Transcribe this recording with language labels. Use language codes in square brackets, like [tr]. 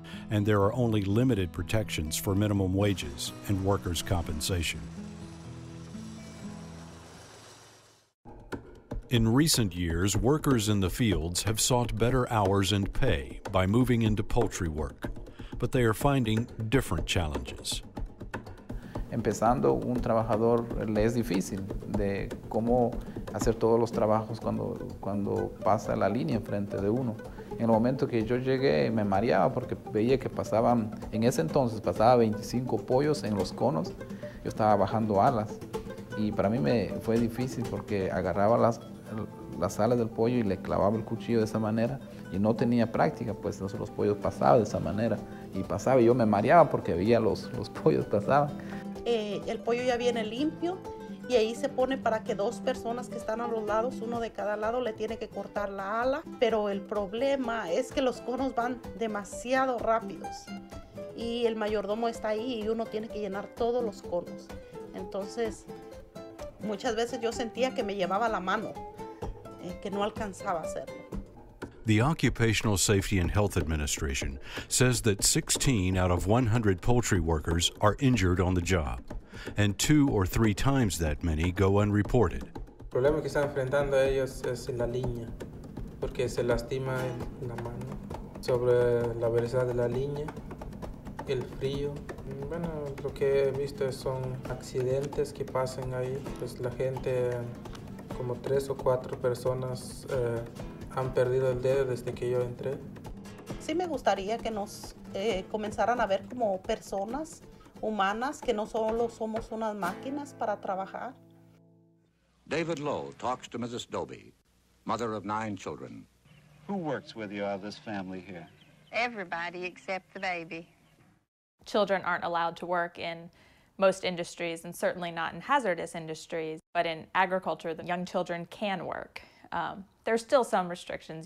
[en] And there are only limited protections for minimum wages and workers' compensation. In recent years, workers in the fields have sought better hours and pay by moving into poultry work, but they are finding different challenges. [es] Empezando un trabajador le es difícil de cómo hacer todos los trabajos cuando pasa la línea enfrente de uno. En el momento que yo llegué me mareaba porque veía que pasaban, en ese entonces pasaba 25 pollos en los conos, yo estaba bajando alas y para mí me fue difícil porque agarraba las alas del pollo y le clavaba el cuchillo de esa manera y no tenía práctica, pues entonces los pollos pasaban de esa manera y pasaba y yo me mareaba porque veía los pollos pasaban. El pollo ya viene limpio y ahí se pone para que dos personas que están a los lados, uno de cada lado, le tiene que cortar la ala, pero el problema es que los conos van demasiado rápidos y el mayordomo está ahí y uno tiene que llenar todos los conos. Entonces, muchas veces yo sentía que me llevaba la mano, que no alcanzaba a hacerlo. [en] The Occupational Safety and Health Administration says that 16 out of 100 poultry workers are injured on the job, and two or three times that many go unreported. [es] El problema que están enfrentando ellos es la línea, porque se lastima en la mano sobre la velocidad de la línea, el frío. Bueno, lo que he visto son accidentes que pasan ahí. Pues la gente, como tres o cuatro personas, han perdido el dedo desde que yo entré. Sí me gustaría que nos comenzaran a ver como personas humanas, que no solo somos unas máquinas para trabajar. [en] David Lowe talks to Mrs. Dobie, mother of nine children. Who works with you out of this family here? Everybody except the baby. Children aren't allowed to work in most industries, and certainly not in hazardous industries. But in agriculture, the young children can work. There's still some restrictions.